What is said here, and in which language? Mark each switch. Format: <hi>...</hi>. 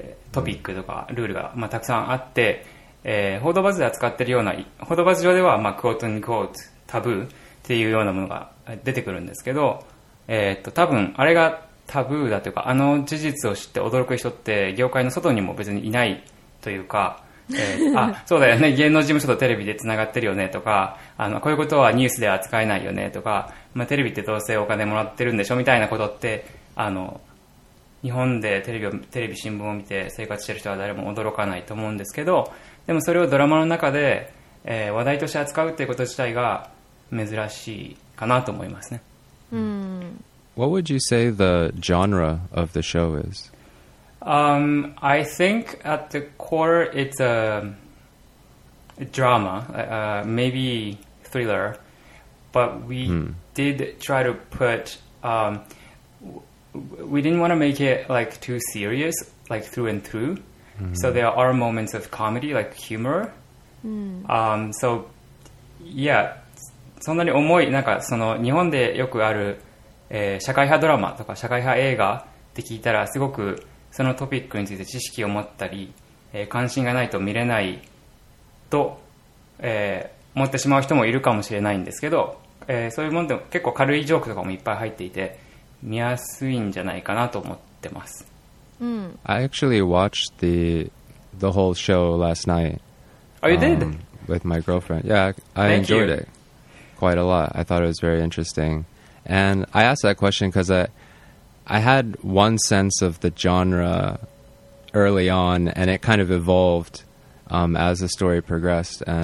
<ja>トピックとかルールが、まあ、たくさんあって、報道バズで扱ってるような、報道バズ上では、まあ、クォートンクォートタブーっていうようなものが出てくるんですけど、多分あれがタブーだというか、あの事実を知って驚く人って業界の外にも別にいないというか、あ、そうだよね、芸能事務所とテレビでつながってるよねとか、こういうことはニュースでは扱えないよねとか、まあ、テレビってどうせお金もらってるんでしょみたいなことって、日本でテレビ新聞を見て生活してる人は誰も驚かないと思うんですけど、でもそれをドラマの中で、話題として扱うっていうこと自体が珍しいかなと思いますね。うん。</ja> <en>What would you say the genre of the show is? I think at the core it's a drama, maybe thriller, but we did try to put we didn't want to make it like too serious, like through and through. Mm-hmm. So there are moments of comedy, like humor. Mm. So yeah,</en> <ja>そんなに重い、なんかその日本でよくある、社会派ドラマとか社会派映画って聞いたら、すごくそのトピックについて知識を持ったり、関心がないと見れないと、思ってしまう人もいるかもしれないんですけど、そういうもんでも結構軽いジョークとかもいっぱい入っていて、見やすいんじゃないかなと思ってます。</ja> <en>うん、I actually watched the whole show last night. Oh, you did? With my girlfriend. Yeah, I enjoyed it quite a lot. I thought it was very interesting. And I asked that question because I had one sense of the genre early on, and it kind of evolved as the story progressed.</en>